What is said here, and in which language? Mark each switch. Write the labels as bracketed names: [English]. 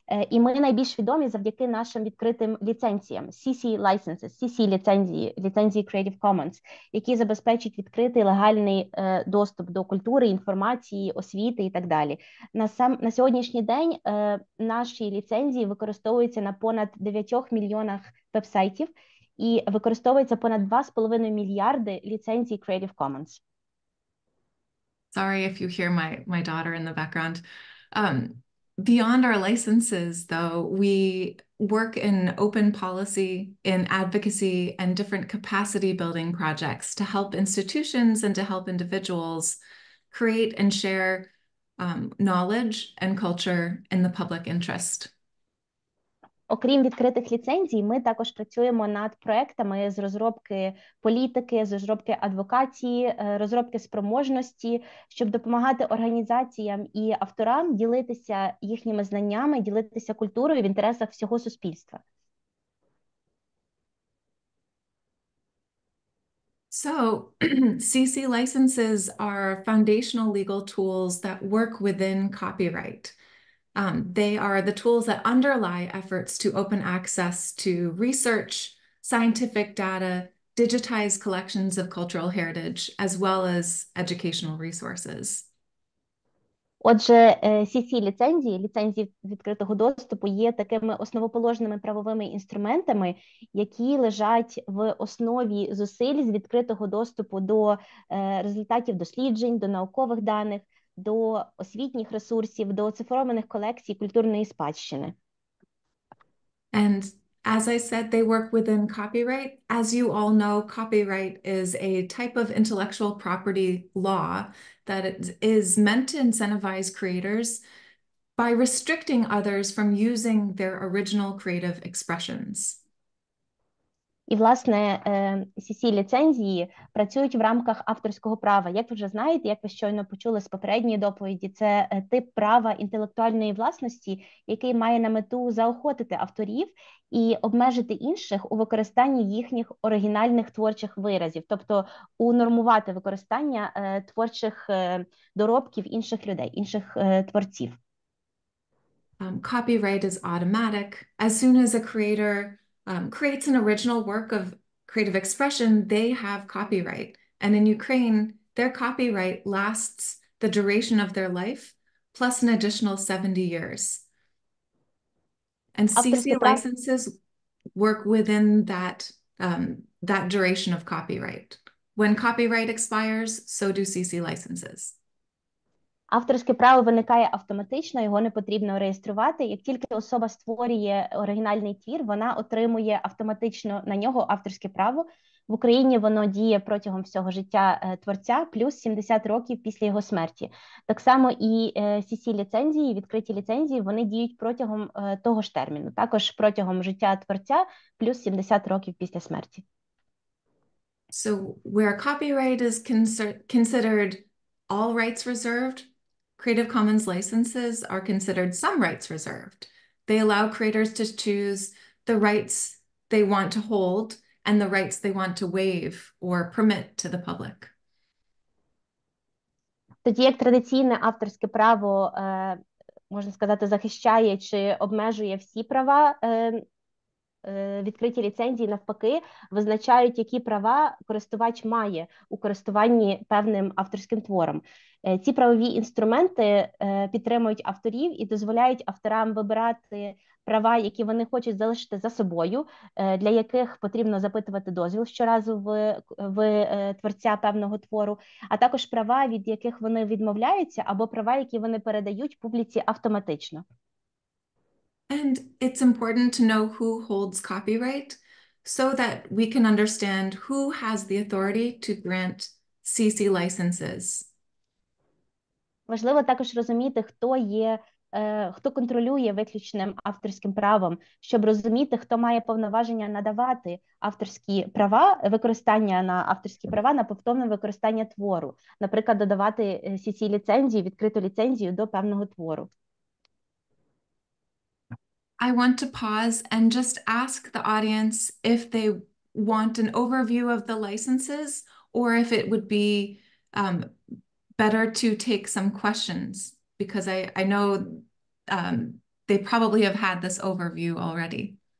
[Ukrainian] І ми найбільш відомі завдяки нашим відкритим ліцензіям, CC licenses, CC ліцензії, ліцензії Creative Commons, які забезпечують відкритий легальний доступ до культури, інформації, освіти і так далі. На сьогоднішній день наші ліцензії використовуються на понад 9 мільйонах вебсайтів і використовується понад 2,5 мільярди ліцензій Creative Commons. [English] Sorry if you hear my daughter in the background. Beyond our licenses, though, we work in open policy, in advocacy, and different capacity building projects to help institutions and to help individuals create and share knowledge and culture in the public interest. [Ukrainian] Окрім відкритих ліцензій, ми також працюємо над проектами з розробки політики, з розробки адвокації, розробки спроможності, щоб допомагати організаціям і авторам ділитися їхніми знаннями, ділитися культурою в інтересах всього суспільства. [English] So, CC licenses are foundational legal tools that work within copyright. They are the tools that underlie efforts to open access to research, scientific data, digitized collections of cultural heritage, as well as educational resources. [Ukrainian] Отже, CC-ліцензії, ліцензії відкритого доступу, є такими основоположними правовими інструментами, які лежать в основі зусиль з відкритого доступу до результатів досліджень, до наукових даних, до освітніх ресурсів, до оцифрованих колекцій культурної спадщини. [English] And as I said, they work within copyright. As you all know, copyright is a type of intellectual property law that is meant to incentivize creators by restricting others from using their original creative expressions. [Ukrainian] І, власне, CC-ліцензії працюють в рамках авторського права. Як ви вже знаєте, як ви щойно почули з попередньої доповіді, це тип права інтелектуальної власності, який має на мету заохотити авторів і обмежити інших у використанні їхніх оригінальних творчих виразів, тобто унормувати використання творчих доробків інших людей, інших творців. [English] Copyright is automatic. As soon as a creator creates an original work of creative expression, they have copyright. And in Ukraine, their copyright lasts the duration of their life plus an additional 70 years. And CC licenses work within that, that duration of copyright. When copyright expires, so do CC licenses. [Ukrainian] Авторське право виникає автоматично, його не потрібно реєструвати. Як тільки особа створює оригінальний твір, вона отримує автоматично на нього авторське право. В Україні воно діє протягом всього життя творця, плюс 70 років після його смерті. Так само і CC-ліцензії, відкриті ліцензії, вони діють протягом того ж терміну. Також протягом життя творця, плюс 70 років після смерті. [English] So, where copyright is considered all rights reserved, Creative Commons licenses are considered some rights reserved. They allow creators to choose the rights they want to hold and the rights they want to waive or permit to the public. [Ukrainian] Тоді як традиційне авторське право, можна сказати, захищає чи обмежує всі права, відкриті ліцензії, навпаки, визначають, які права користувач має у користуванні певним авторським твором. Ці правові інструменти підтримують авторів і дозволяють авторам вибирати права, які вони хочуть залишити за собою, для яких потрібно запитувати дозвіл щоразу в творця певного твору, а також права, від яких вони відмовляються, або права, які вони передають публіці автоматично. [English] And it's important to know who holds copyright so that we can understand who has the authority to grant CC licenses. [Ukrainian] Важливо також розуміти, хто є, хто контролює виключним авторським правом, щоб розуміти, хто має повноваження надавати авторські права, використання на авторські права на повторне використання твору, наприклад, додавати CC-ліцензію, відкриту ліцензію до певного твору. [English] I want to pause and just ask the audience if they want an overview of the licenses or if it would be better to take some questions, because I know they probably have had this overview already.